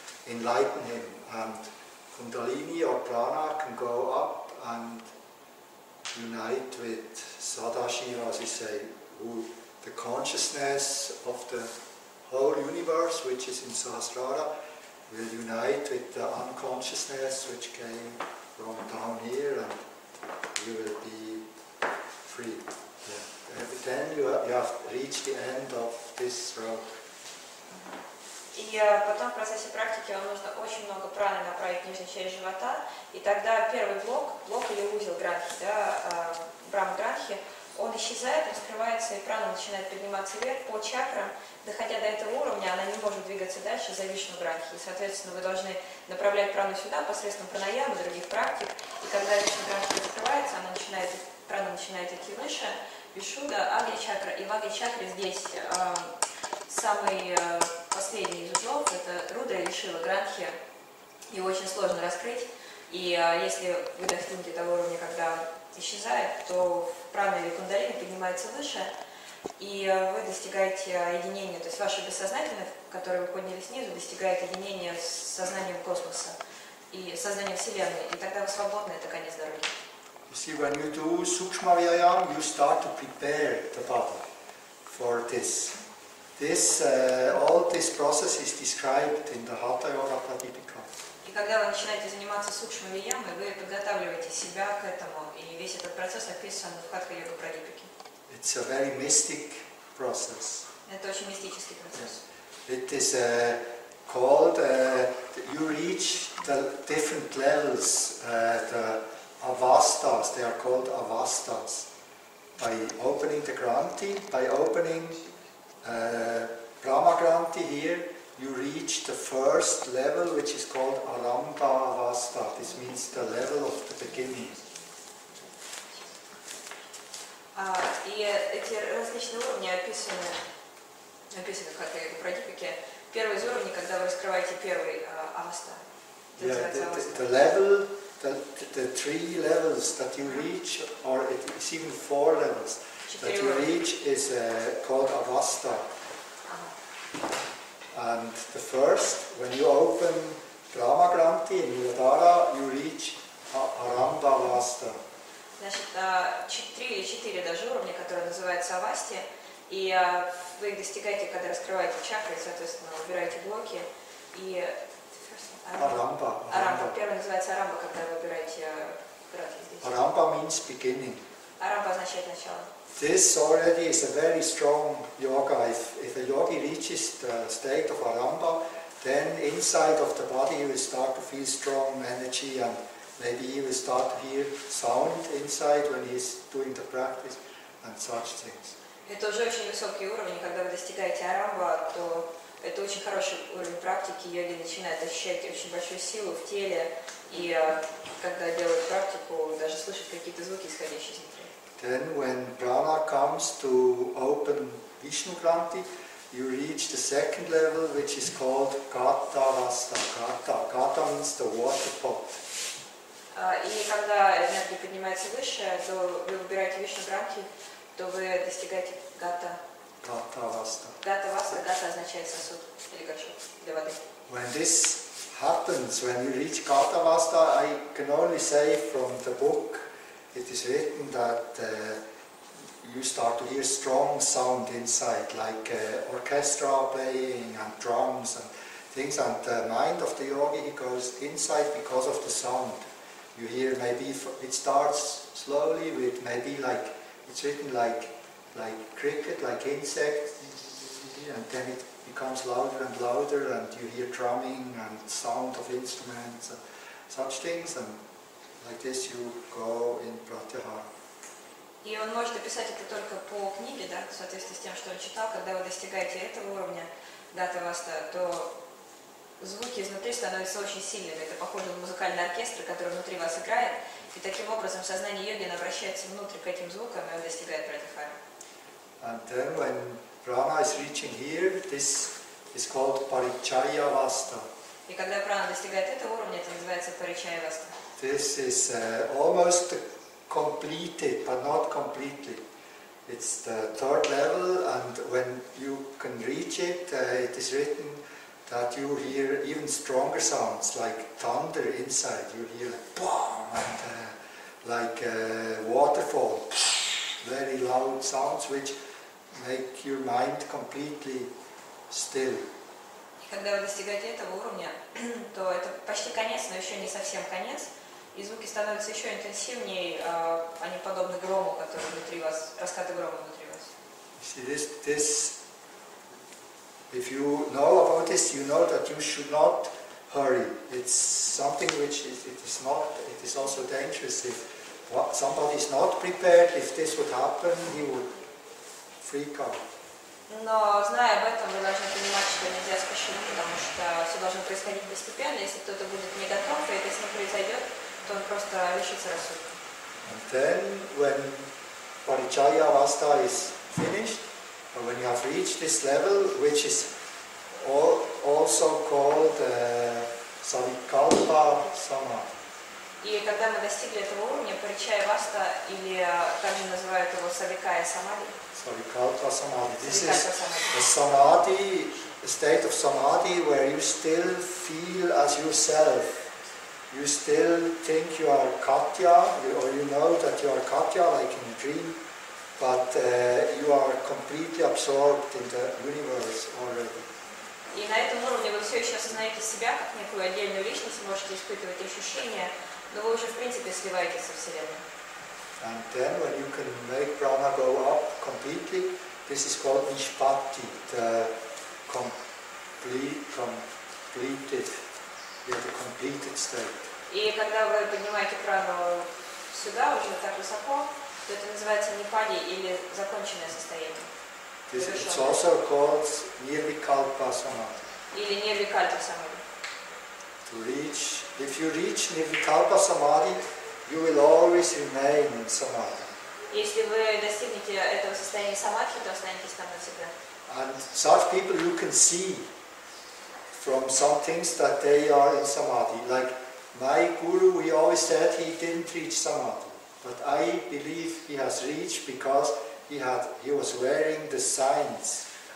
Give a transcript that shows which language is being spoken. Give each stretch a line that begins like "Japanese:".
English: enlighten him, and Kundalini or Prana can go up and unite with Sadashiva, as we say, who the consciousness of the whole universe, which is in Sahasrara, will unite with the unconsciousness which came from down here, and you will be free. Yeah. But then you have reached the end of this road.
Russian: И потом в процессе практики вам нужно очень много праны направить в нижнюю часть живота, и тогда первый блок или узел гранхи, да, брахма-гранхи, он исчезает, раскрывается, и прана начинает подниматься вверх по чакрам, доходя до этого уровня, она не может двигаться дальше за вишну гранхи. И, соответственно, вы должны направлять прану сюда посредством пранаямы, других практик, и когда вишна гранхи раскрывается, она начинает, прана начинает идти выше, вишуда, агни-чакра, и в агни-чакре здесь самый последний из узлов, это рудра или шива гранхи, его очень сложно раскрыть, и если вы достигнете того уровня, когда исчезает, то прана или кундалини поднимается выше, и вы достигаете единения, то есть ваше бессознательное, которое вы подняли снизу, достигает единения с сознанием космоса и сознанием Вселенной, и тогда вы свободны, это конец дороги.
English: You see, when you do sukshma vyayama, you start to prepare the body for this. All this process is described in the Hatha Yoga Pradipika.
Russian: И когда вы начинаете заниматься сукшма вияма, вы подготавливаете себя к этому, и весь этот процесс описан в Хатха Йога Прадипике.
English: It's a very mystic process.
Russian: Это очень мистический процесс.
English: It is called you reach the different levels, the avastas. They are called avastas by opening the granti, by opening Brahma-granti here, you reach the first level, which is called Arambha-avastha. This means the level of the beginning.
Russian: И эти различные уровни описаны как в Прадипике. Первый из уровней, когда вы раскрываете первый авастха.
English: Yeah, the level, the three levels that you reach, or it's even four levels. That you reach is called avastha. And the first, when you open Brahma Granti in Muladhara, you reach Arambha avastha.
Russian: Значит, три или четыре даже уровня, которые называются авасти, и вы их достигаете, когда раскрываете чакры, соответственно, убираете блоки, и
English: Arambha. Arambha.
Russian: Первый называется Arambha, когда вы убираете гранти.
English: Arambha means beginning.
Russian: Arambha означает начало.
English: This already is a very strong yoga. If a yogi reaches the state of Arambha, then inside of the body he will start to feel strong energy, and maybe he will start to hear sound inside when he's doing the practice and such things.
Russian: Это уже очень высокий уровень. Когда вы достигаете Арамба, то это очень хороший уровень практики. Йоги начинают ощущать очень большую силу в теле, и когда делают практику, даже слышат какие-то звуки, исходящие изнутри.
English: Then when prana comes to open Vishnu Granti, you reach the second level, which is called Gata Vasta. Gata. Gata means the water pot.
Russian: И когда энергия поднимается выше, то вы выбираете Вишну Гранти, то вы достигаете Гата.
English: Gata Vasta. Gata Vasta.
Russian: Gata означает сосуд или горшок для воды.
English: When this happens, when you reach Gata Vasta, I can only say from the book, it is written that you start to hear strong sound inside, like orchestra playing and drums and things. And the mind of the yogi, he goes inside because of the sound. You hear maybe it starts slowly with maybe like, it's written like cricket, like insect, and then it becomes louder and louder, and you hear drumming and sound of instruments and such things. And like this you go in pratyahara.
Russian: И он может описать это только по книге, да, в соответствии с тем, что он читал. Когда вы достигаете этого уровня, гата васта, то звуки изнутри становятся очень сильными. Это похоже на музыкальный оркестр, который внутри вас играет. И таким образом сознание йоги обращается внутрь к этим звукам, и он достигает пратихары.
English: And then when prana is reaching here, this is called parichaya vasta.
Russian: И когда прана достигает этого уровня, это называется парачая васта.
English: This is almost completed, but not completely. It's the third level, and when you can reach it, it is written that that you hear even stronger sounds like thunder inside. You hear like boom, and like a waterfall, very loud sounds which make your mind completely still.
Russian: Когда вы достигаете этого уровня, то это почти конец, но еще не совсем конец. И звуки становятся еще интенсивнее, они подобны грому, который внутри вас, раскаты грома внутри вас.
English: See, this, if you know about this, you know that you should not hurry. It's something which it is also dangerous. If somebody is not prepared, if this would happen, he would freak out.
Russian: Но зная об этом, вы должны понимать, что нельзя спешить, потому что все должно происходить постепенно. Если кто-то будет не готов, то это с ним произойдет.
English: And then, when Parichaya Avastha is finished, or when you have reached this level, which is also called Savikalpa Samadhi.
Russian: И когда мы достигли этого уровня, Parichaya Avastha, или также называют его Savikaya Samadhi.
English: Savikalpa Samadhi. This is a samadhi, a state of samadhi where you still feel as yourself. You still think you are Katya, or you know that you are Katya, like in a dream, but you are completely absorbed in the universe already.
Russian: И на этом уровне вы все еще осознаете себя как некую отдельную личность, можете испытывать ощущения, но вы уже в принципе сливаетесь со вселенной.
English: And then when you can make prana go up completely, this is called nishpati, the completed. Yeah, the completed state.
Russian: И когда вы поднимаете прану сюда, уже так высоко, то это называется нипади или законченное состояние.
English: This is also called nirvikalpa samadhi.
Russian: Или nirvikalpa samadhi.
English: To reach, if you reach nirvikalpa samadhi, you will always remain in samadhi.
Russian: Если вы достигнете этого состояния самадхи, то останетесь там навсегда.
English: And such people you can see from some things that they are in samadhi. Like my guru, we always said he didn't reach samadhi. But I believe he has reached because he was wearing the signs.